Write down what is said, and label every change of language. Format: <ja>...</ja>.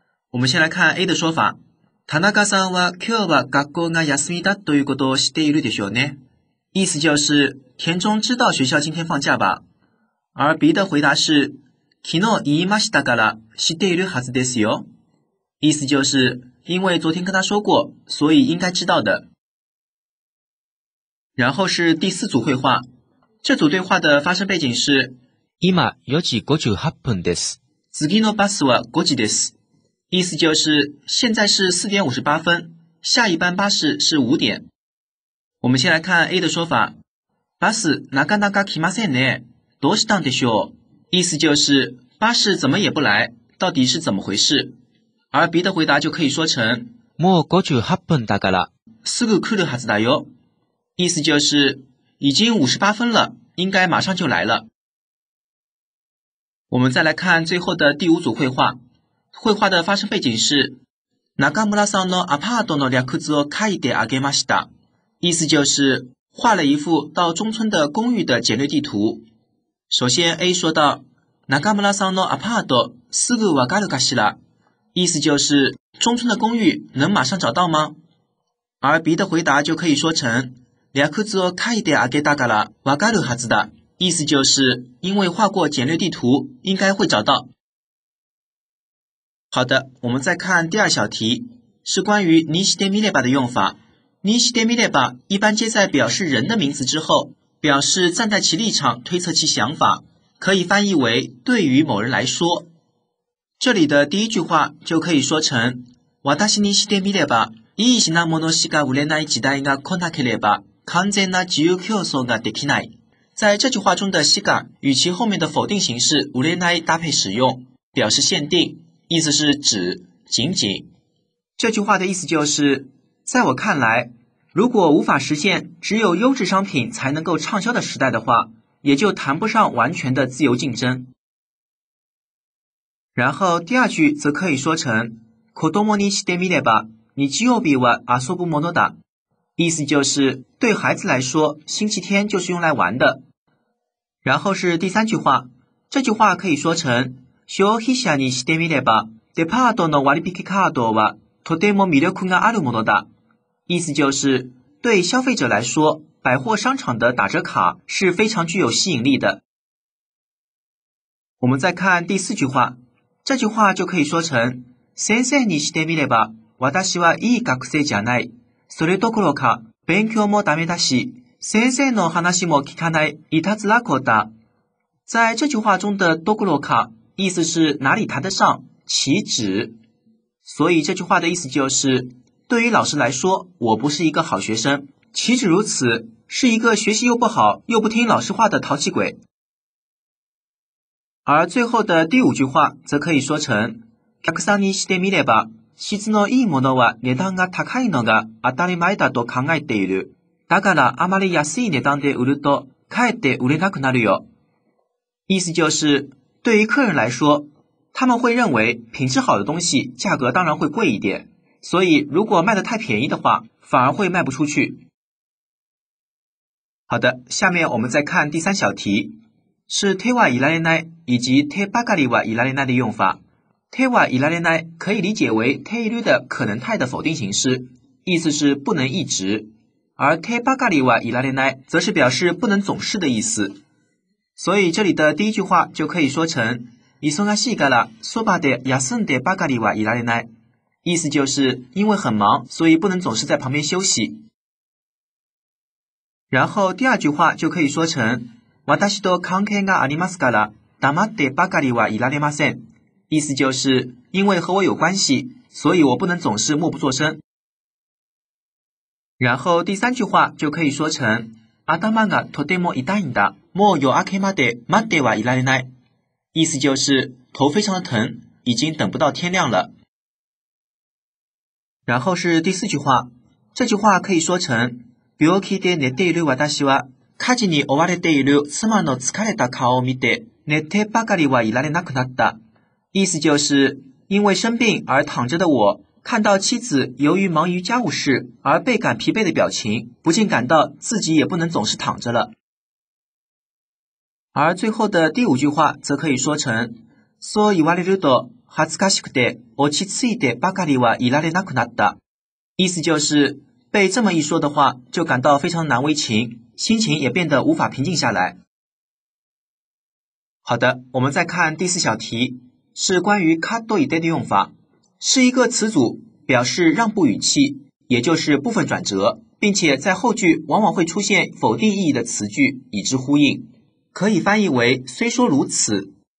<zh>我们先来看 A 的说法，</zh> <ja>田中さんは今日は学校が休みだということを知っているでしょうね，</ja> <zh>意思就是田中知道学校今天放假吧。而 B 的回答是</zh> <ja>昨日言いましたから知っているはずですよ。</ja> <zh>意思就是因为昨天跟他说过，所以应该知道的。然后是第四组绘画，这组对话的发生背景是</zh> <ja>今4時58分です。次のバスは5時です。</ja> <zh>意思就是现在是4点58分，下一班巴士是5点。我们先来看 A 的说法，</zh> <ja>バスなかなか来ませんね。どうしたんでしょう？</ja> <zh>意思就是巴士怎么也不来，到底是怎么回事？而 B 的回答就可以说成</zh> <ja>もう58分だから。すぐ来るはずだよ。</ja> <zh>意思就是已经58分了，应该马上就来了。我们再来看最后的第五组绘画。绘画的发生背景是</zh> <ja>中村さんのアパートの略図を書いてあげました。</ja> <zh>意思就是画了一幅到中村的公寓的简略地图。首先 A 说到</zh> <ja>中村さんのアパートすぐわかるかしら。</ja> <zh>意思就是中村的公寓能马上找到吗？而 B 的回答就可以说成</zh> <ja>略図を書いてあげたからわかるはずだ。</ja> <zh>意思就是因为画过简略地图应该会找到。好的，我们再看第二小题，是关于にしてみれば的用法。にしてみれば一般接在表示人的名词之后，表示站在其立场推测其想法，可以翻译为对于某人来说。这里的第一句话就可以说成</zh> <ja>私にしてみればいい品物しか売れない時代が来なければ完全な自由競争ができない。</ja> <zh>在这句话中的しか与其后面的否定形式売れない搭配使用，表示限定，意思是指仅仅。这句话的意思就是在我看来，如果无法实现只有优质商品才能够畅销的时代的话，也就谈不上完全的自由竞争。然后第二句则可以说成</zh> <ja>子供にしてみれば日曜日は遊ぶものだ。</ja> <zh>意思就是对孩子来说星期天就是用来玩的。然后是第三句话，这句话可以说成</zh> <ja>消費者にしてみればデパートの割引カードはとても魅力があるものだ。</ja> <zh>意思就是对消费者来说百货商场的打折卡是非常具有吸引力的。我们再看第四句话，这句话就可以说成</zh> <ja>先生にしてみれば私はいい学生じゃない。それどころか勉強もダメだし先生の話も聞かないいたずら子だ。</ja> <zh>在这句话中的どころか意思是哪里谈得上，岂止。所以这句话的意思就是对于老师来说我不是一个好学生，岂止如此，是一个学习又不好又不听老师话的淘气鬼。而最后的第五句话则可以说成</zh> <ja>客さんにしてみれば質のいいものは値段が高いのが当たり前だと考えている。だからあまり安い値段で売るとかえって売れなくなるよ。</ja> <zh>意思就是对于客人来说，他们会认为品质好的东西价格当然会贵一点，所以如果卖得太便宜的话反而会卖不出去。好的，下面我们再看第三小题，是手はいられない以及手ばかりはいられない的用法。手はいられない可以理解为手いる的可能态的否定形式，意思是不能一直，而手ばかりはいられない则是表示不能总是的意思。所以这里的第一句话就可以说成</zh> <ja>忙しいからそばで休んでばかりはいられない。</ja> <zh>意思就是因为很忙所以不能总是在旁边休息。然后第二句话就可以说成</zh> <ja>私と関係がありますから黙ってばかりはいられません。</ja> <zh>意思就是因为和我有关系所以我不能总是默不作声。然后第三句话就可以说成</zh> <ja>頭がとても痛いんだ。もう夜明けまで待ってはいられない。</ja> <zh>意思就是头非常的疼，已经等不到天亮了。然后是第四句话，这句话可以说成</zh> <ja>病気で寝ている私は家事に追われている妻の疲れた顔を見て寝てばかりはいられなくなった。</ja> <zh>意思就是因为生病而躺着的我看到妻子由于忙于家务事而倍感疲惫的表情，不禁感到自己也不能总是躺着了。而最后的第五句话则可以说成</zh> <ja>そう言われると恥ずかしくて落ち着いてばかりはいられなくなった。</ja> <zh>意思就是被这么一说的话就感到非常难为情，心情也变得无法平静下来。好的，我们再看第四小题，是关于カットイデで用法，是一个词组，表示让步语气，也就是部分转折，并且在后句往往会出现否定意义的词句以之呼应，可以翻译为虽说如此。</zh>